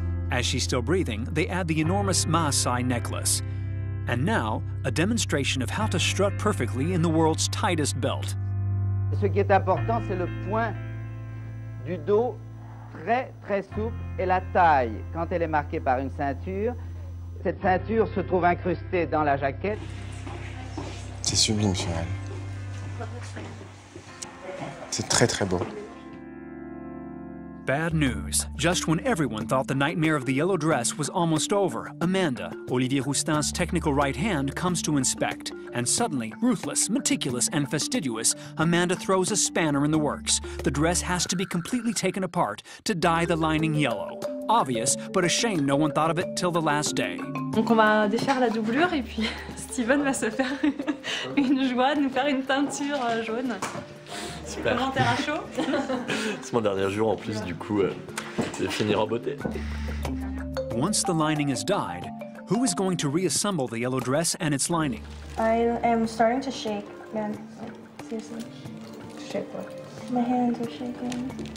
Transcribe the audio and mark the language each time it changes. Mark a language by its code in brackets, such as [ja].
[en] As she's still breathing, they add the enormous Maasai necklace. And now, a demonstration of how to strut perfectly in the world's tightest belt. [fr] Ce qui est important, c'est le point du dos très, très souple et la taille. Quand elle est marquée par une ceinture, cette ceinture se trouve incrustée dans la jaquette. C'est sublime sur elle. C'est très, très beau. [en] Bad news. Just when everyone thought the nightmare of the yellow dress was almost over, Amanda, Olivier Roustin's technical right hand, comes to inspect. And suddenly, ruthless, meticulous, and fastidious, Amanda throws a spanner in the works. The dress has to be completely taken apart to dye the lining yellow. Obvious, but a shame no one thought of it till the last day. [fr] Donc on va défaire la doublure et puis Steven va se faire une joie de nous faire une teinture jaune. Super. Commentaire à chaud. C'est mon dernier jour en plus, du coup, je vais finir en beauté. [en] Once the lining is dyed, who is going to reassemble the yellow dress and its lining? I am starting to shake, man. Seriously. Shake what? My hands are shaking.